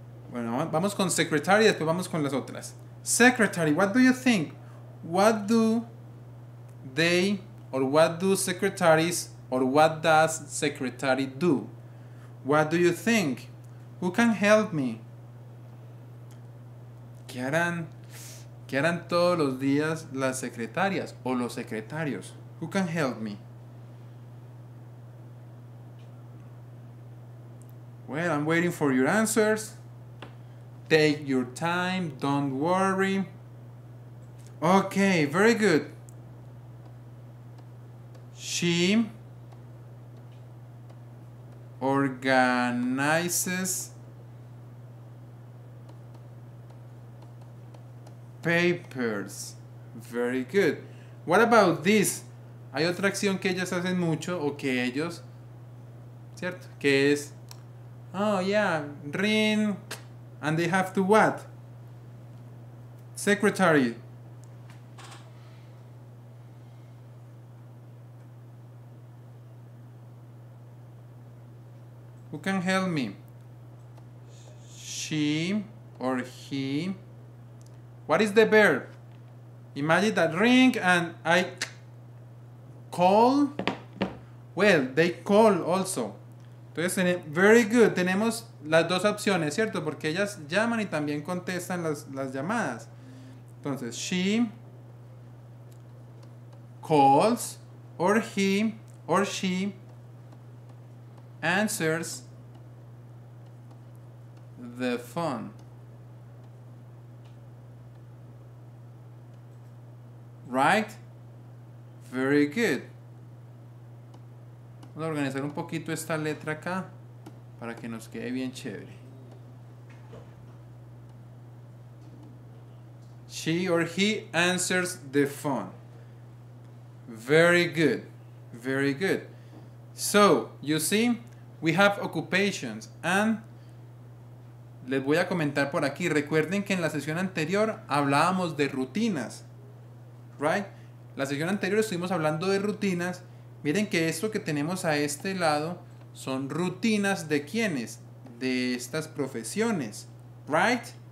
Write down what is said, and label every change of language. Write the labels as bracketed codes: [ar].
[es] Bueno, vamos con secretary, después vamos con las otras. [en] Secretary, what do you think? What do they, or what do secretaries, or what does secretary do? What do you think? Who can help me? [es] ¿Qué harán todos los días las secretarias o los secretarios? [en] Who can help me? Well, I'm waiting for your answers. Take your time, don't worry. Okay, very good. She organizes papers. Very good. What about this? [es] Hay otra acción que ellas hacen mucho o que ellos, ¿cierto? Que es, [en] oh yeah, ring, and they have to what? Secretary. Who can help me? She or he. What is the verb? Imagine that ring and I call. Well, they call also. Entonces, very good. [es] Tenemos las dos opciones, ¿cierto? Porque ellas llaman y también contestan las llamadas. [en] Entonces, she calls or he or she answers the phone. Right? Very good. [es] Vamos a organizar un poquito esta letra acá para que nos quede bien chévere. [en] She or he answers the phone. Very good. Very good. So, you see, we have occupations. [es] And les voy a comentar por aquí. Recuerden que en la sesión anterior hablábamos de rutinas. Right? La sesión anterior estuvimos hablando de rutinas. Miren que esto que tenemos a este lado son rutinas de quiénes, de estas profesiones. Right?